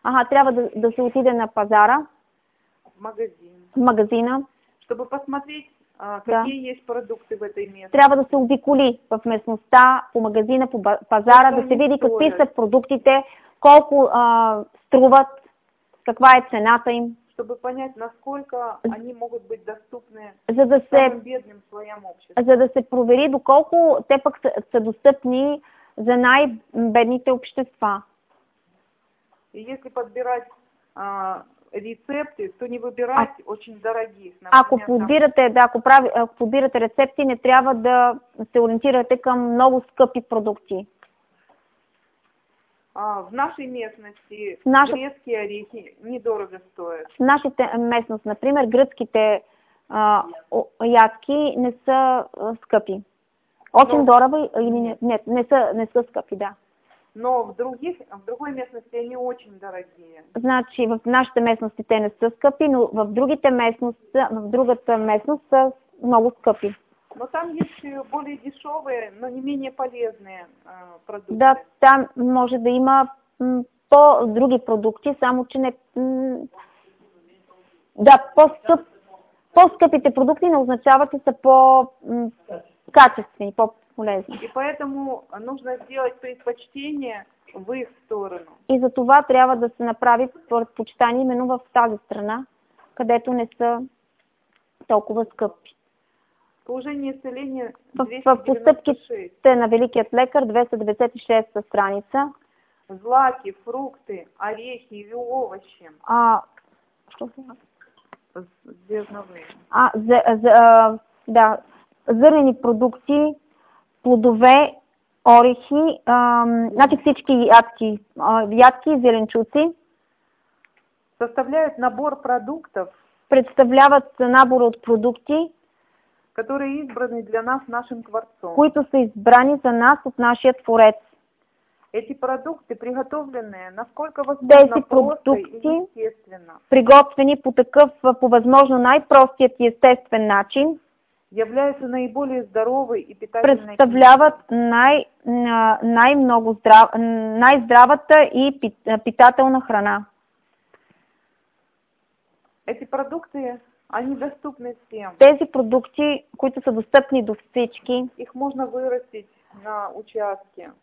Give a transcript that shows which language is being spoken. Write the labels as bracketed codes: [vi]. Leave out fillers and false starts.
[bg] Трябва да се отиде на пазара. [ru] В магазин. [bg] В магазина. [ru] Чтобы посмотреть, какие есть продукты в этой местности. [bg] Трябва да се обиколи в местността, по магазина, по пазара, да се види какви са продуктите, колко струват, каква е цената им. [ru] Чтобы понять, насколько они могут быть доступны самым бедным слоям общества. [bg] За да се провери доколко те пък са достъпни за най-бедните общества. [ru] И если подбирать рецепты, то не выбирать очень дорогих. Например, [bg] ако подбирате, ако подбирате рецепти, не трябва да се ориентирате към много скъпи продукти. [ru] В нашей местности грецкие орехи недорого стоят. [bg] В нашите местности, например, гръцките ядки не са скъпи. [ru] Очень дорого или нет? [bg] Не са скъпи, да. [ru] Но в другой местности они очень дорогие. [bg] Значи, в нашите местности те не са скъпи, но в другата местност са много скъпи. [ru] Но там есть более дешевые, но не менее полезные продукты. [bg] Да, там может да има по-други продукти, само че не... Да, по-скъпите продукти не означава, че са по-качествени, по-полезни. [ru] И поэтому нужно сделать предпочтение в их сторону. [bg] И за това трябва да се направи предпочитание именно в тази страна, където не са толкова скъпи. [ru] Положение исцеления [bg] 296. В постъпките на великият лекар, 296 страница. [ru] злаки, фрукты, орехи или овощи. А что это? Зерновые. [bg] А, да, зелени продукти, плодове, орехи, значит всички ядки, ядки, зеленчуци. [ru] Составляют набор продуктов. [bg] Представляват набор от продукти, [ru] которые избраны для нас нашим Творцом. [bg] Които са избрани за нас от нашия Творец. [ru] Эти продукты приготовлены, насколько возможно, просто и естественно. [bg] Приготвени по такъв, по възможно най-простият и естествен начин. [ru] Являются наиболее здоровой и питательной. [bg] Представляват най-много най-здравата и питателна храна. [ru] Эти продукты, они доступны всем. [bg] Тези продукти, които са достъпни до всички. [ru] Их можно вырастить на участке.